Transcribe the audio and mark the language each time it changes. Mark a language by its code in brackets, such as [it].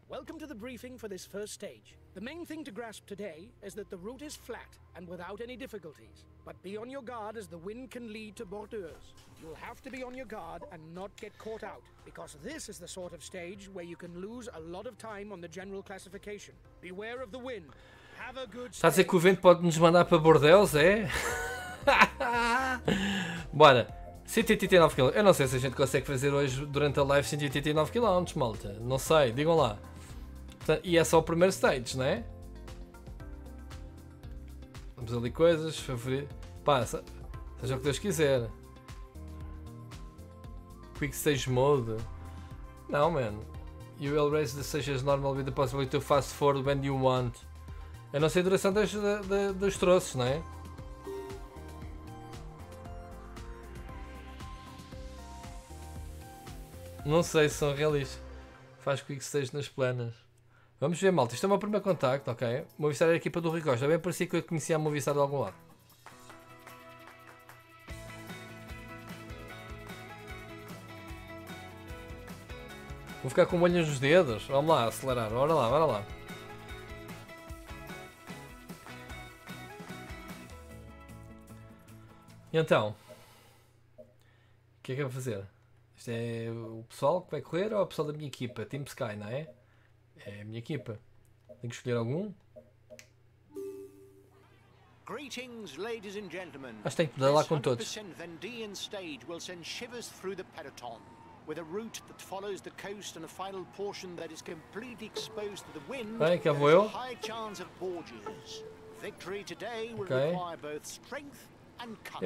[en] Welcome to the briefing for this first stage. The main thing to grasp today is that the route is flat and without any difficulties. But be on your guard as the wind can lead to bordures. You'll have to be on your guard and not get caught out, because this is the sort of stage where you can lose a lot of time on the general classification. Beware of the wind. Have a good stage. [pt] Está a dizer que o vento pode nos mandar para bordéis, é? Bora. 189 km. Eu não sei se a gente consegue fazer hoje durante a live 189 km, malta. Não sei, digam lá. Portanto, e é só o primeiro stage, não é? Vamos ali coisas, favorito. Pá, seja o que Deus quiser. [en] Quick stage mode. Não, man. You will raise the stage as normal with the possibility to fast forward when you want. [pt] Eu não sei a duração dos troços, não é? Não sei se são realistas. Faz quick stage nas planas. Vamos ver, malta. Isto é o meu primeiro contacto, ok? Movistar é a equipa do Rui Costa. Bem parecia que eu conhecia a Movistar de algum lado. Vou ficar com molhos nos dedos. Vamos lá, acelerar. Bora lá, bora lá. E então? O que é que eu vou fazer? Isto é o pessoal que vai correr ou o pessoal da minha equipa? Team Sky, não é? É a minha equipa. Tenho que escolher algum? [en] Greetings, ladies and gentlemen. [pt] Acho que tenho que dar lá com todos. [en] This 100% Vendean stage will send shivers through the peloton. With a route that follows the coast and a final portion that is completely exposed to the wind, there is a high chance of bordures. Victory today will require both strength and cunning.